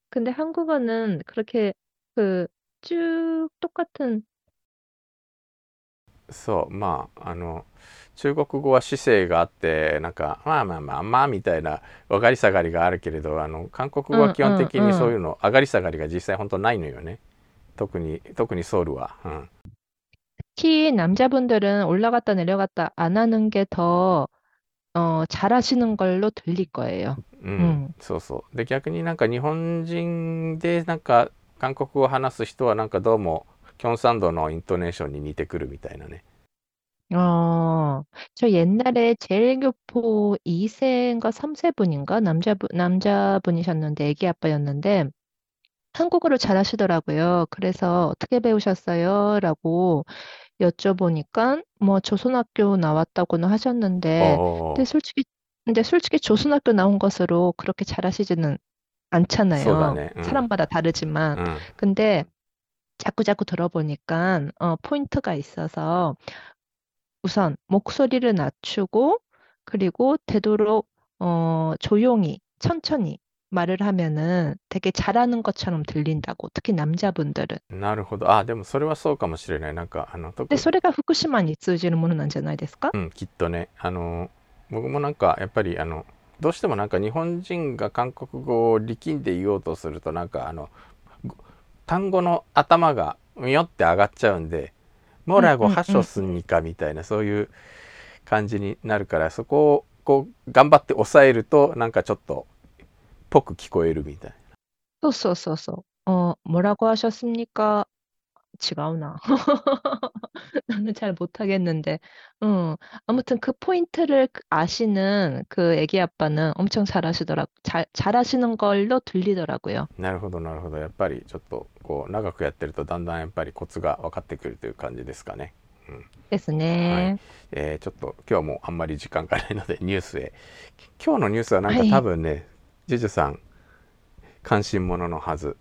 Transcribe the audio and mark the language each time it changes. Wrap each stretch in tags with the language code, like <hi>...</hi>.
<ko>응근데한국어는그렇게그쭉똑같은</ko> <ja>そう、まあ、中国語は姿勢があって、なんか、まあみたいな、上がり下がりがあるけれど、韓国語は基本的にそういうの、上がり下がりが実際本当ないのよね。特にソウルは。</ja> <ko>특히 남자분들은 올라갔다 내려갔다 안 하는 게 더, 잘하시는 걸로 들릴 거예요.</ko> <ja>そうそう。で、逆になんか日本人で、なんか、韓国語を話す人は、なんかどうも、キョンサンドのイントネーションに似てくるみたいなね。</ja> <ko>저 옛날에 제일교포 2세인가 3세 분인가 남자분이셨는데 애기 아빠였는데 한국어를 잘하시더라고요. 그래서 어떻게 배우셨어요? 라고 여쭤보니까 뭐 조선학교 나왔다고는 하셨는데 근데 솔직히 조선학교 나온 것으로 그렇게 잘하시지는</ko> <ja>そうだ</ja> <ko>않잖아요. 네. 사람마다 다르지만 근데 자꾸 들어보니까 포인트가 있어서 우선 목소리를 낮추고 그리고 되도록 조용히 천천히 말을 하면은 되게 잘하는 것처럼 들린다고 특히 남자분들은. 근데</ko> <ja>なるほど。あ、でもそれはそうかもしれない。なんか、特に。それが福島に通じるものなんじゃないですか？きっとね。僕もなんか、やっぱり、どうしてもなんか、日本人が韓国語を力んで言おうとすると、なんか、単語の頭が、うよって上がっちゃうんで、もらごはしょすんにかみたいな、そういう感じになるから、そこを、こう、頑張って抑えると、なんか、ちょっと、ぽく聞こえるみたいな。</ja> <ko>뭐라고 하셨습니까?</ko> <ja>違うな.</ja> <ko>나는 잘 못하겠는데. 아무튼 그 포인트를 아시는 그 애기 아빠는 엄청 잘하시더라고. 잘하시는 걸로 들리더라고요.</ko> <ja>なるほど、なるほど。やっぱりちょっとこう長くやってるとだんだんやっぱりコツが分かってくるという感じですかね。ですはい。ね。ちょっと今日もあんまり時間がないのでニュースへ。今日のニュースはなんはか多い。分ね、ジュジュさん関心もののはず。</ja>